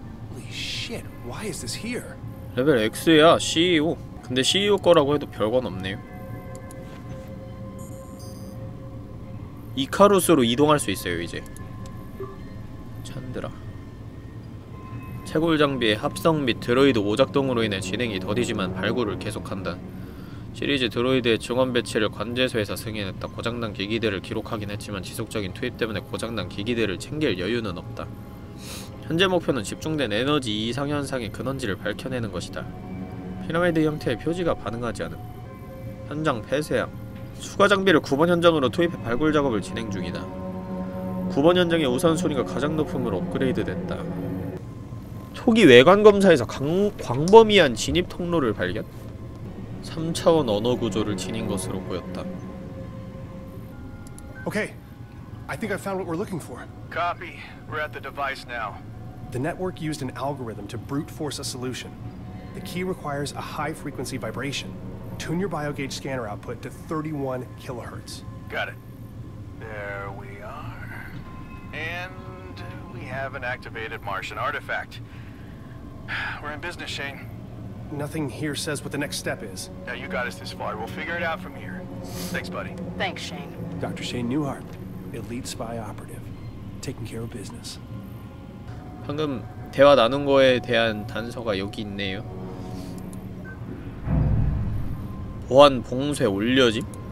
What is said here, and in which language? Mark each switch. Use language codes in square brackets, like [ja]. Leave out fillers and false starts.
[en] Holy shit, why is this here? [ko] 레벨 X야, CEO. 근데 CEO 거라고 해도 별건 없네요. 이카루스로 이동할 수 있어요, 이제. 찬드라. 채굴 장비의 합성 및 드로이드 오작동으로 인해 진행이 더디지만 발굴을 계속한다. 시리즈 드로이드의 증원 배치를 관제소에서 승인했다. 고장난 기기들을 기록하긴 했지만 지속적인 투입 때문에 고장난 기기들을 챙길 여유는 없다. 현재 목표는 집중된 에너지 이상 현상의 근원지를 밝혀내는 것이다. 피라미드 형태의 표지가 반응하지 않음. 현장 폐쇄함. 추가 장비를 9번 현장으로 투입해 발굴 작업을 진행 중이다. 9번 현장의 우선순위가 가장 높음으로 업그레이드 됐다. 초기 외관 검사에서 광범위한 진입 통로를 발견? 3차원 언어 구조를 지닌 것으로 보였다. [en] Okay. I think I found what we're looking for. Copy. We're at the device now. The network used an algorithm to brute force a solution. The key requires a high frequency vibration. Tune your biogauge scanner output to 31 kilohertz. Got it. There we are. And we have have an activated Martian artifact. We're in business, Shane. Nothing here says what the next step is. Now you got us this far. We'll figure it out from here. Thanks, buddy. Thanks, Shane. Dr. Shane Newhart, elite spy operative, taking care of business. [ko] 방금 대화 나눈 거에 대한 단서가 여기 있네요. 보안 봉쇄 올려짐?